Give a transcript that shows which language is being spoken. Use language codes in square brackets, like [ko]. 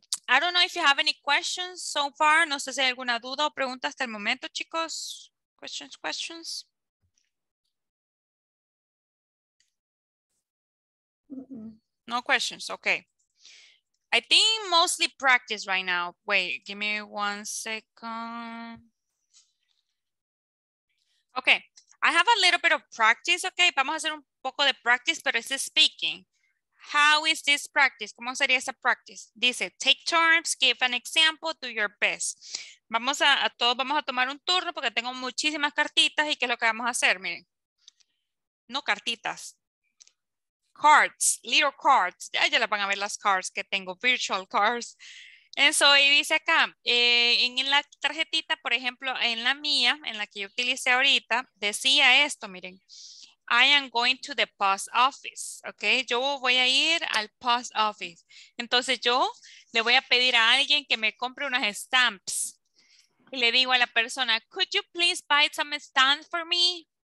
[en] I don't know if you have any questions so far. [es] No sé si hay alguna duda o pregunta hasta el momento, chicos. [en] Questions. No questions, okay. I think mostly practice right now. Wait, give me one second. Okay, I have a little bit of practice, okay? [es] Vamos a hacer un poco de practice, pero es speaking. [en] How is this practice? [es] ¿Cómo sería esa practice? Dice, [en] take turns, give an example, do your best. [es] Vamos a todos vamos a tomar un turno porque tengo muchísimas cartitas y qué es lo que vamos a hacer, miren. No cartitas. [en] Cards, little cards. [es] Ya las van a ver las cards que tengo, virtual cards. Eso, y dice acá, en la tarjetita, por ejemplo, en la mía, en la que yo utilicé ahorita, decía esto, miren. [en] I am going to the post office, ¿ok? [es] Yo voy a ir al post office. Entonces yo le voy a pedir a alguien que me compre unas stamps. Y le digo a la persona, [en] could you please buy some stamps for me?